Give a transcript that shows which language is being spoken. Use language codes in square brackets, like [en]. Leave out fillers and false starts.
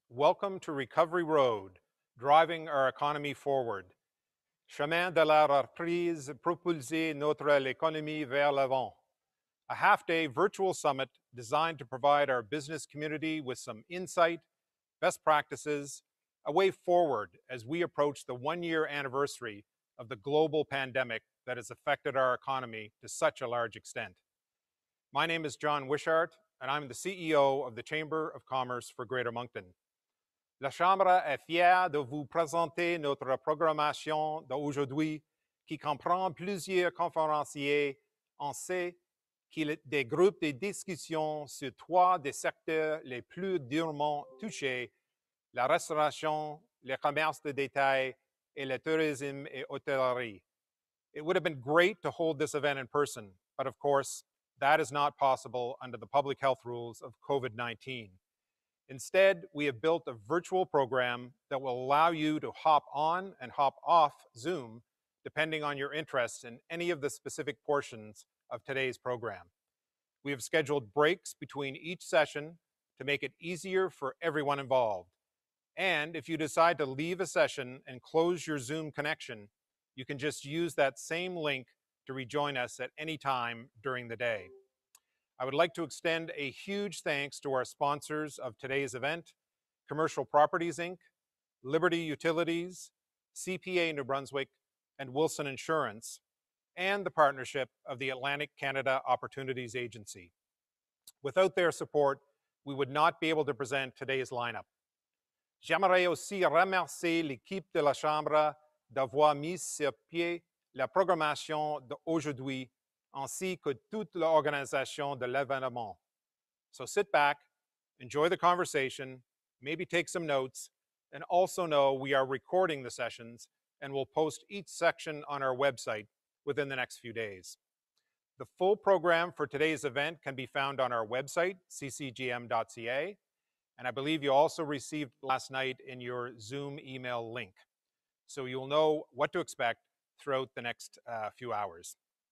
[en] Welcome to Recovery Road, driving our economy forward. [fr] Chemin de la reprise propulser notre économie vers l'avant. [en] A half-day virtual summit designed to provide our business community with some insight, best practices, a way forward as we approach the one-year anniversary of the global pandemic that has affected our economy to such a large extent. My name is John Wishart, and I'm the CEO of the Chamber of Commerce for Greater Moncton. [fr] La Chambre est fière de vous présenter notre programmation d'aujourd'hui qui comprend plusieurs conférenciers en C qui des groupes de discussion sur trois des secteurs les plus durement touchés, la restauration, le commerce de détail, et le tourisme et hôtellerie. [en] It would have been great to hold this event in person, but of course, that is not possible under the public health rules of COVID-19. Instead, we have built a virtual program that will allow you to hop on and hop off Zoom, depending on your interest in any of the specific portions of today's program. We have scheduled breaks between each session to make it easier for everyone involved. And if you decide to leave a session and close your Zoom connection, you can just use that same link to rejoin us at any time during the day. I would like to extend a huge thanks to our sponsors of today's event, Commercial Properties, Inc., Liberty Utilities, CPA New Brunswick, and Wilson Insurance, and the partnership of the Atlantic Canada Opportunities Agency. Without their support, we would not be able to present today's lineup. [fr] J'aimerais aussi remercier l'équipe de la Chambre d'avoir mis sur pied la programmation d'aujourd'hui, ainsi que toute l'organisation de l'événement. [en] So sit back, enjoy the conversation, maybe take some notes, and also know we are recording the sessions and will post each section on our website within the next few days. The full program for today's event can be found on our website, ccgm.ca, and I believe you also received last night in your Zoom email link. So you'll know what to expect throughout the next few hours.